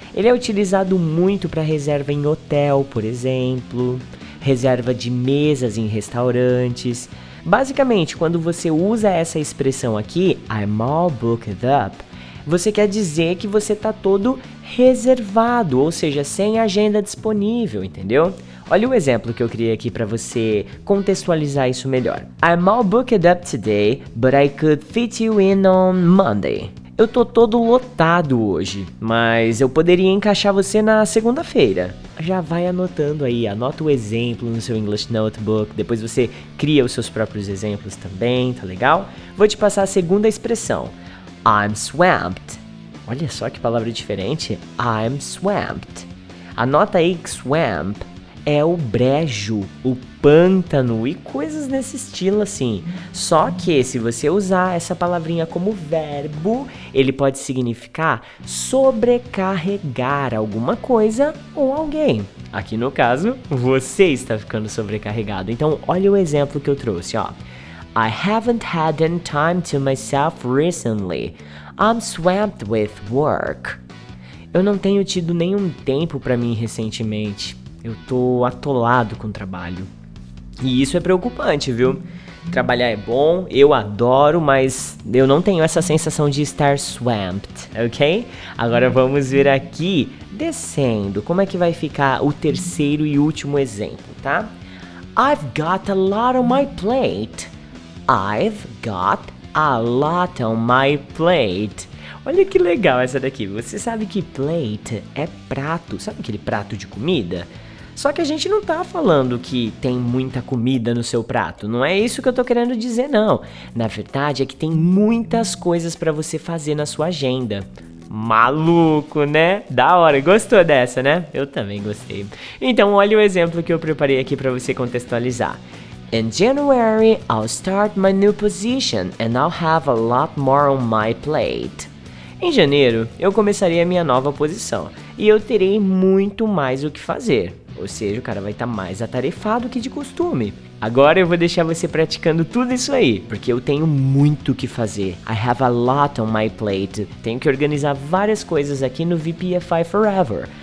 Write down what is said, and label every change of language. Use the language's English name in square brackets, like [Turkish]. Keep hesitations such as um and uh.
[Portuguese] Ele é utilizado muito para reserva em hotel, por exemplo, reserva de mesas em restaurantes, Basicamente, quando você usa essa expressão aqui, [English] I'm all booked up, [Portuguese] você quer dizer que você está todo reservado, ou seja, sem agenda disponível, entendeu? Olha o exemplo que eu criei aqui para você contextualizar isso melhor. [English] I'm all booked up today, but I could fit you in on Monday. [Portuguese] Eu tô todo lotado hoje, mas eu poderia encaixar você na segunda-feira. Já vai anotando aí, anota o exemplo no seu English Notebook, depois você cria os seus próprios exemplos também, tá legal? Vou te passar a segunda expressão. [English] I'm swamped. [Portuguese] Olha só que palavra diferente. [English] I'm swamped. [Portuguese] Anota aí que swamp é o brejo, o pântano e coisas nesse estilo assim. Só que se você usar essa palavrinha como verbo, ele pode significar sobrecarregar alguma coisa ou alguém. Aqui no caso, você está ficando sobrecarregado. Então, olha o exemplo que eu trouxe, ó. [English] I haven't had any time to myself recently. I'm swamped with work. [Portuguese] Eu não tenho tido nenhum tempo para mim recentemente. Eu tô atolado com o trabalho. E isso é preocupante, viu? Trabalhar é bom, eu adoro, mas eu não tenho essa sensação de estar swamped, ok? Agora vamos ver aqui, descendo, como é que vai ficar o terceiro e último exemplo, tá? [English] I've got a lot on my plate. I've got a lot on my plate. [Portuguese] Olha que legal essa daqui. Você sabe que plate é prato, sabe aquele prato de comida? Só que a gente não tá falando que tem muita comida no seu prato, não é isso que eu tô querendo dizer não. Na verdade é que tem muitas coisas para você fazer na sua agenda. Maluco, né? Da hora, gostou dessa, né? Eu também gostei. Então olha o exemplo que eu preparei aqui para você contextualizar. [English] In January, I'll start my new position and I'll have a lot more on my plate. [Portuguese] Em janeiro, eu começarei a minha nova posição e eu terei muito mais o que fazer. Ou seja, o cara vai estar tá mais atarefado que de costume. Agora eu vou deixar você praticando tudo isso aí, porque eu tenho muito o que fazer. [English] I have a lot on my plate. [Portuguese] Tenho que organizar várias coisas aqui no VPFI Forever.